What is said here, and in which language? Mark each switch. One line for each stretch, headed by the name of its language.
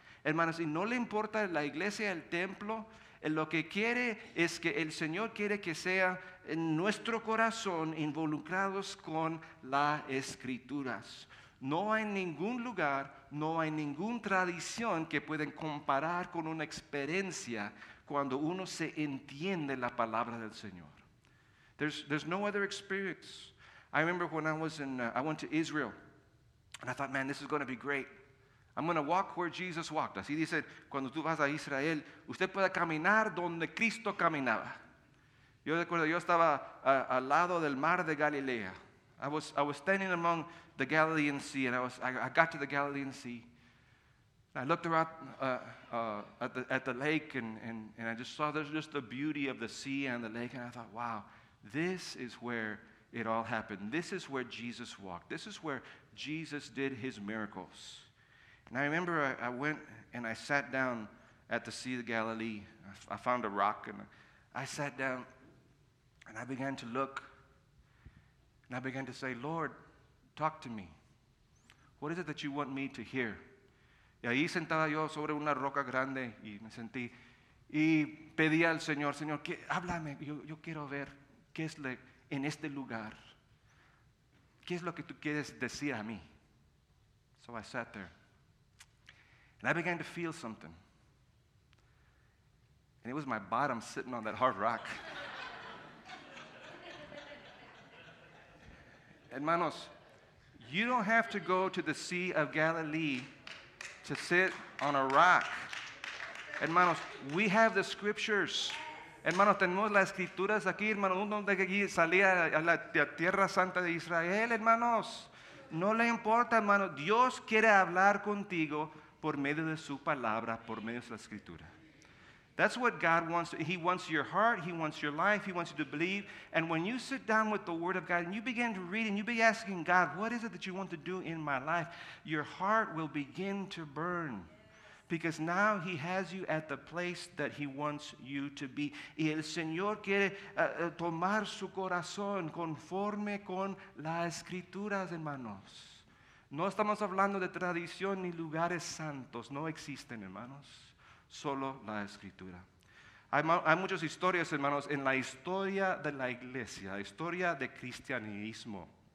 Spanish: Hermanos, y no le importa la iglesia, el templo, lo que quiere es que el Señor quiere que sea en nuestro corazón involucrados con las Escrituras. No hay ningún lugar, no hay ninguna tradición que pueden comparar con una experiencia cuando uno se entiende la palabra del Señor.
English: There's no other experience. I remember when I went to Israel, and I thought, man, this is going to be great. I'm going to walk where Jesus walked.
Spanish: Así dice, cuando tú vas a Israel, usted puede caminar donde Cristo caminaba. Yo recuerdo, yo estaba al lado del mar de Galilea.
English: I was standing among the Galilean Sea, and I got to the Galilean Sea. I looked around at the lake, and I just saw there's just the beauty of the sea and the lake, and I thought, wow, this is where it all happened. This is where Jesus walked. This is where Jesus did his miracles. And I remember I went and I sat down at the Sea of Galilee. I found a rock and I sat down and I began to look. And I began to say, Lord, talk to me. What is it that you want me to hear?
Spanish: Y ahí sentaba yo sobre una roca grande y me sentí. Y pedí al Señor, Señor, háblame. Yo quiero ver qué es la... En este lugar, ¿qué es lo que tú quieres decir a mí?
English: So I sat there. And I began to feel something. And it was my bottom sitting on that hard rock. Hermanos, you don't have to go to the Sea of Galilee to sit on a rock. Hermanos, we have the scriptures.
Spanish: Hermanos, tenemos las escrituras aquí, hermanos, donde salía a la tierra santa de Israel, hermanos. No le importa, hermanos. Dios quiere hablar contigo por medio de su palabra, por medio de la escritura.
English: That's what God wants. He wants your heart. He wants your life. He wants you to believe. And when you sit down with the Word of God and you begin to read and you be asking God, what is it that you want to do in my life? Your heart will begin to burn. Because now he has you at the place that he wants you to be.
Spanish: Y el Señor quiere tomar su corazón conforme con las escrituras, hermanos. No estamos hablando de tradición ni lugares santos. No existen, hermanos. Solo la escritura. Hay muchas historias, hermanos, en la historia de la iglesia, la historia de cristianismo.